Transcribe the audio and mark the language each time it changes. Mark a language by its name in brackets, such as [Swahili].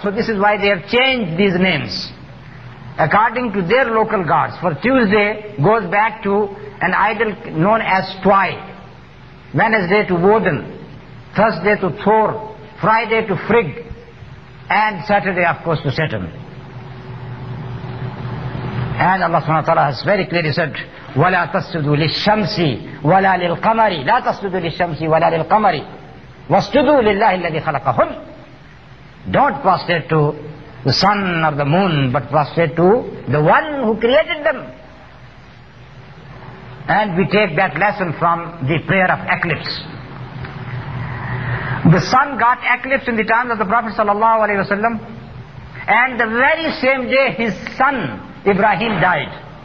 [English] So this is why they have changed these names. According to their local gods, for Tuesday goes back to an idol known as Twi, Wednesday to Woden, Thursday to Thor, Friday to Frigg, and Saturday of course to Saturn. And Allah subhanahu wa ta'ala has very clearly said, [Arabic] ولا تسجدوا للشمس ولا للقمر لا تسجدوا للشمس ولا للقمر واسجدوا لله الذي خلقهن. [English] Don't prostrate to the sun or the moon, but prostrate to the one who created them. And we take that lesson from the prayer of eclipse. The sun got eclipsed in the time of the Prophet sallallahu alaihi wasallam, and the very same day his son Ibrahim died.